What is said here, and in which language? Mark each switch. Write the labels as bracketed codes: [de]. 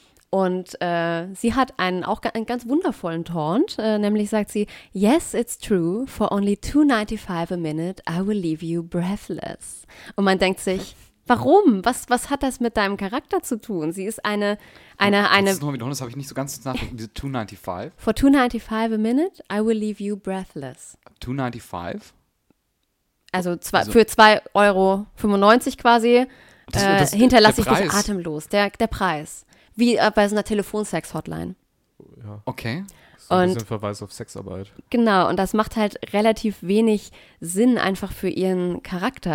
[de] Und sie hat einen ganz wundervollen Taunt, nämlich sagt sie, [en] yes, it's true, for only $2.95 a minute, I will leave you breathless. [de] Und man denkt sich, warum? Was hat das mit deinem Charakter zu tun? Sie ist eine. Das ist nur wieder, das habe ich nicht so ganz nachgedacht, diese $2.95. [en] For $2.95 a minute, I will leave you breathless. $2.95? [de] Also, für 2,95 Euro quasi, hinterlasse ich dich atemlos. Der Preis. Wie bei so einer Telefonsex-Hotline. Ja. Okay. So ein bisschen Verweis auf Sexarbeit. Genau, und das macht halt relativ wenig Sinn einfach für ihren Charakter.